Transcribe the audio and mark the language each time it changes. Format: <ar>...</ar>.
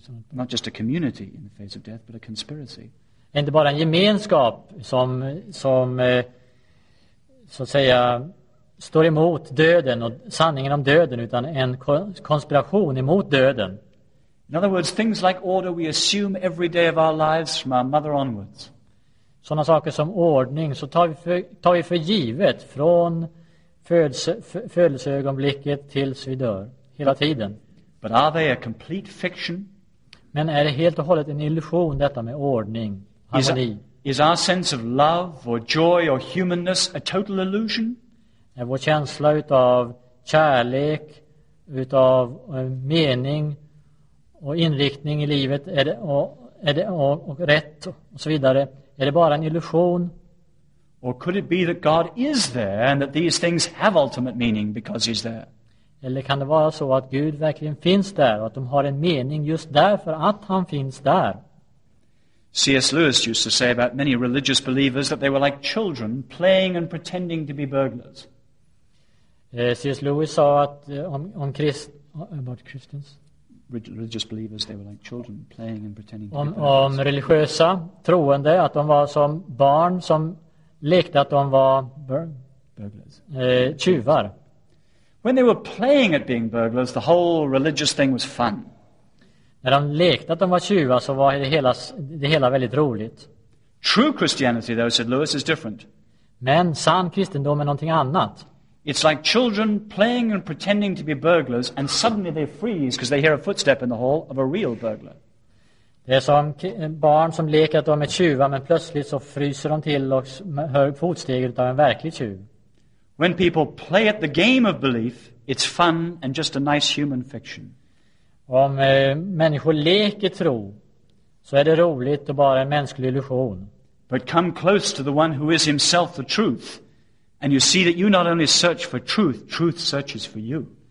<en>not just a community in the face of death, but a conspiracy.</en> <sv>Inte bara en gemenskap som så att säga står emot döden och sanningen om döden, utan en konspiration emot döden.</sv> <en>In other words, things like order we assume every day of our lives from our mother onwards.</en> <sv>Såna saker som ordning så tar vi för givet från födelseögonblicket tills vi dör, hela tiden.</sv> <en>But are they a complete fiction?</en> <sv>Men är det helt och hållet en illusion, detta med ordning, harmoni?</sv> <en>Is our sense of love or joy or humanness a total illusion?</en> <sv>Är vår känsla utav kärlek, utav mening och inriktning i livet, är det och rätt och så vidare, är det bara en illusion?</sv> <en>Or could it be that God is there and that these things have ultimate meaning because he's there?</en> <sv>Eller kan det vara så att Gud verkligen finns där och att de har en mening just därför att han finns där?</sv> <en>C.S. Lewis used to say about many religious believers that they were like children playing and pretending to be burglars.</en> <sv>C.S. Lewis sa att om</sv> <en>about Christians. Religious believers, they were like children playing and pretending to</en> <sv>om,</sv> <en>be burglars.</en> <sv>Om religiösa troende, att de var som barn som lekte att de var</sv> <en>burglars.</en> <sv>Tjuvar.</sv> <en>When they were playing at being burglars, the whole religious thing was fun.</en> <sv>När de lekte att de var tjuvar så var det hela väldigt roligt.</sv> <en>True Christianity, though, said Lewis, is different.</en> <sv>Men sann kristendom är någonting annat.</sv> <en>It's like children playing and pretending to be burglars and suddenly they freeze because they hear a footstep in the hall of a real burglar.</en> <sv>Det är som barn som leker att de är tjuvar men plötsligt så fryser de till och hör fotsteg utav en verklig tjuv.</sv> <en>When people play at the game of belief, it's fun and just a nice human fiction.</en> <sv>Om människor leker tro så är det roligt och bara en mänsklig illusion.</sv> <en>But come close to the one who is himself the truth and you see that you not only search for truth, truth searches for you.</en>